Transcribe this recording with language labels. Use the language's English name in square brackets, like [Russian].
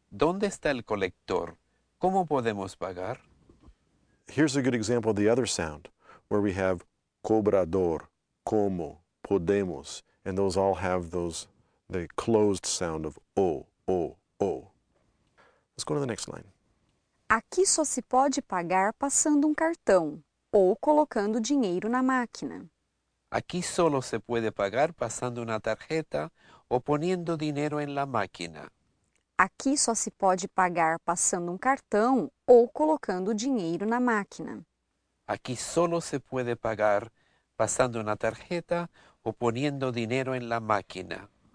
[Spanish] Donde está el colector? Como podemos pagar? [English] Here's a good example of the other sound, where we have cobrador, como, podemos, and those all have those the closed sound of o, o, o. Let's go to the next line. [Portuguese] Aqui só se pode pagar passando cartão ou colocando dinheiro na máquina. [Spanish] Aqui solo se puede pagar pasando una tarjeta o poniendo dinero en la máquina. [Portuguese] Aqui só se pode pagar passando cartão ou colocando dinheiro na máquina. [Spanish] Aqui solo se puede pagar pasando una tarjeta o poniendo dinero en la máquina.